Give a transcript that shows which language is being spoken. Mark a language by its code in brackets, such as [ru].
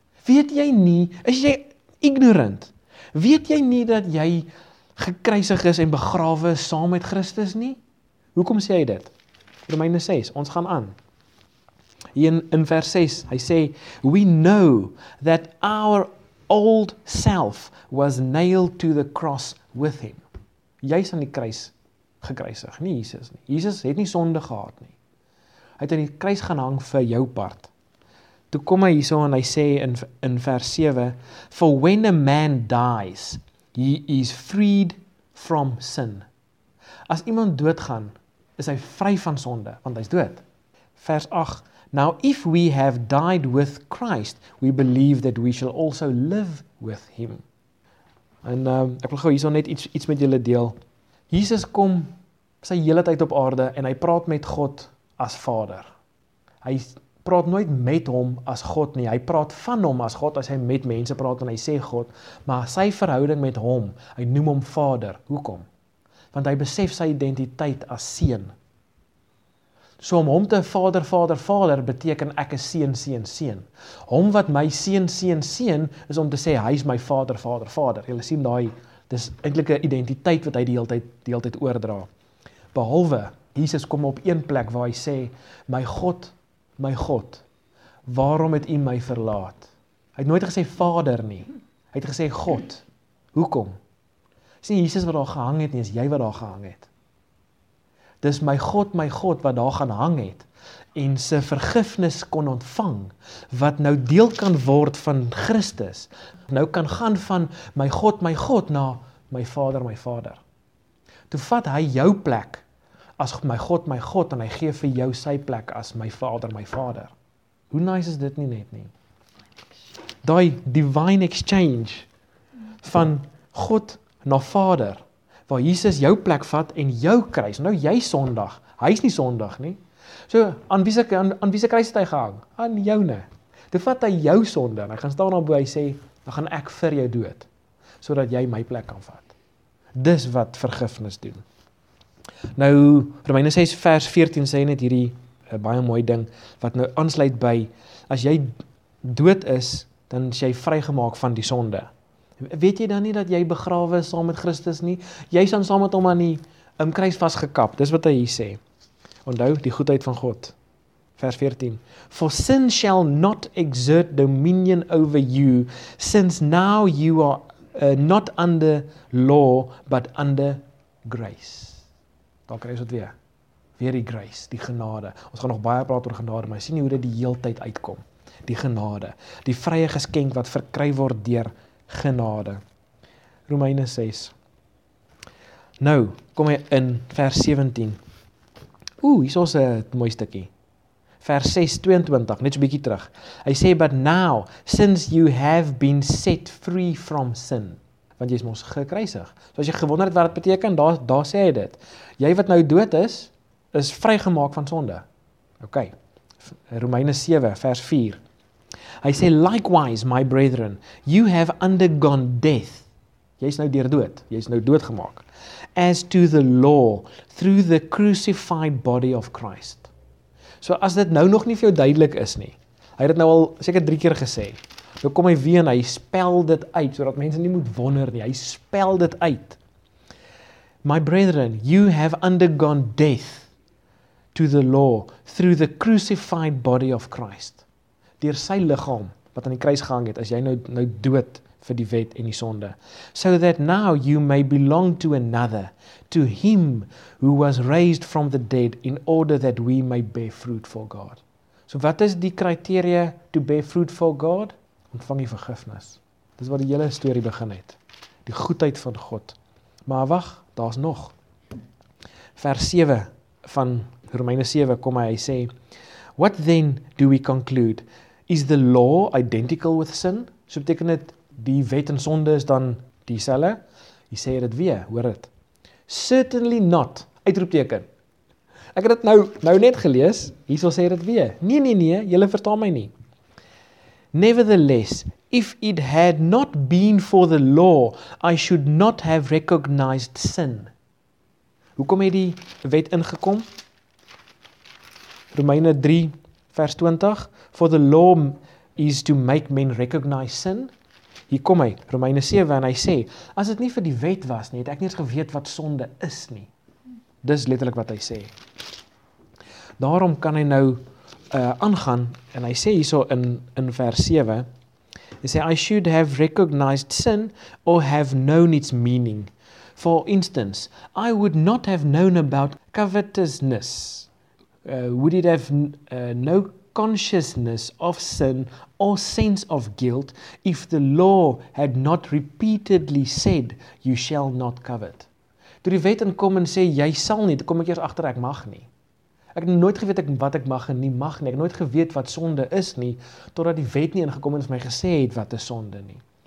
[af] Weet jy nie, is jy ignorant? Weet jy nie dat jy gekruisig is en begrawe saam met Christus nie? Hoekom sê hy dit? Romeine 6, ons gaan aan. Hier in vers 6, hy sê, [en] we know that our old self was nailed to the cross with him. [af] Jy is aan die kruis gekruisig, nie Jesus nie. Jesus het nie sonde gehad nie. Hy het in die kruis gaan hang vir jou part. Toe kom hy hierso en hy sê in vers 7, [en] for when a man dies, he is freed from sin. [af] As iemand doodgaan, is hy vry van sonde, want hy is dood. Vers 8, [en] now if we have died with Christ, we believe that we shall also live with him. [af] En ek wil gauw hierso net iets met julle deel. Jesus kom sy hele tyd op aarde en hy praat met God as vader. Hy praat nooit met hom as God nie, hy praat van hom as God, as hy met mense praat, en hy sê God, maar sy verhouding met hom, hy noem hom vader, hoekom? want hy besef sy identiteit as seun. So om hom te vader, vader, vader beteken ek is seun, seun, seun. Hom wat my seun, seun, seun is om te sê hy is my vader, vader, vader. Julle sien daai, dis eintlik 'n identiteit wat hy die hele tyd oordra. Behalwe, Jesus kom op een plek waar hy sê, my God, waarom het u my verlaat? Hy het nooit gesê vader nie, hy het gesê God, hoekom? Dis nie Jesus wat daar gehang het nie, is jy wat daar gehang het. Dis my God wat daar gaan hang het en sy vergifnis kon ontvang, wat nou deel kan word van Christus, nou kan gaan van my God na my vader. Toe vat hy jou plek as my God en hy gee vir jou sy plek as my vader. Hoe nice is dit nie net nie? Daai [en] divine exchange [af] van God na vader, waar Jesus jou plek vat en jou kruis. Nou jy sondig, hy is nie sondig nie. So aan wie se kruis het hy gehang? Aan joune. Toe vat hy jou sonde en hy gaan staan daarbo en hy sê, dan gaan ek vir jou dood, sodat jy my plek kan vat. Dis wat vergifnis doen. Nou, Romeine 6 vers 14 sê net hierdie baie mooi ding, wat nou aansluit by, as jy dood is, dan is jy vrygemaak van die sonde. Weet jy dan nie dat jy begrawe is saam met Christus nie? Jy is dan saam met hom aan die kruis vastgekap, dis wat hy hier sê. Onthou die goedheid van God. Vers 14. [en] For sin shall not exert dominion over you, since now you are not under law, but under grace. [af] Daar krijg ons het weer. Weer die grace, die genade. Ons gaan nog baie praat oor genade, maar sien nie hoe dit die heel tyd uitkom. Die genade. Die vrye geskenk wat verkry word deur genade. Romeine 6. Nou, kom hy in vers 17. Oeh, hier is ons een mooi stukkie. Vers 6, 22, net so bykie terug. [en] Hy sê, but now, since you have been set free from sin, [af] want jy is ons gekruisig. So as jy gewonder het wat het beteken, daar sê hy dit. Jy wat nou dood is, is vrygemaak van sonde. Ok, Romeine 7, vers 4. [en] Hy sê, likewise, my brethren, you have undergone death. [af] Jy is nou deur dood, jy is nou doodgemaak. [en] As to the law, through the crucified body of Christ. [af] So as dit nou nog nie vir jou duidelik is nie, hy het dit nou al seker 3 keer gesê, nou kom hy weer en hy spel dit uit, so dat mense nie moet wonder nie, hy spel dit uit. [en] My brethren, you have undergone death to the law through the crucified body of Christ. [af] Deur sy liggaam, wat aan die kruis gehang het, as jy nou dood vir die wet en die sonde. [en] So that now you may belong to another, to him who was raised from the dead, in order that we may bear fruit for God. [af] So wat is die kriteria [en] to bear fruit for God? [af] Ontvang die vergifnis. Dis wat die hele story begin het. Die goedheid van God. Maar wacht, daar is nog. Vers 7 van Romeine 7 kom hy sê, [en] what then do we conclude? Is the law identical with sin? [af] So beteken dit, die wet en sonde is dan die selle. Hy sê dit weer, hoor dit. [en] Certainly not, [af] uitroepteken. Ek het dit nou net gelees, hy sal sê dit weer. Nee, julle verstaan my nie. [en] Nevertheless, if it had not been for the law, I should not have recognized sin. [af] Hoekom het die wet ingekom? Romeine 3 vers 20, [en] for the law is to make men recognize sin. [af] Hier kom hy, Romeine 7, en hy sê, as het nie vir die wet was nie, het ek nie eens geweet wat sonde is nie. Dis letterlik wat hy sê. Daarom kan hy nou aangaan, en hy sê hierso in vers 7, hy sê, [en] I should have recognized sin, or have known its meaning. For instance, I would not have known about covetousness. Would it have no consciousness of sin or sense of guilt if the law had not repeatedly said, you shall not covet? [af] Toe die wet inkom en sê, jy sal nie, toe kom ek eers achter, ek mag nie. Ek het nooit geweet wat ek mag en nie mag nie. Ek het nooit geweet wat sonde is nie, totdat die wet nie ingekom en vir my gesê het wat is sonde nie.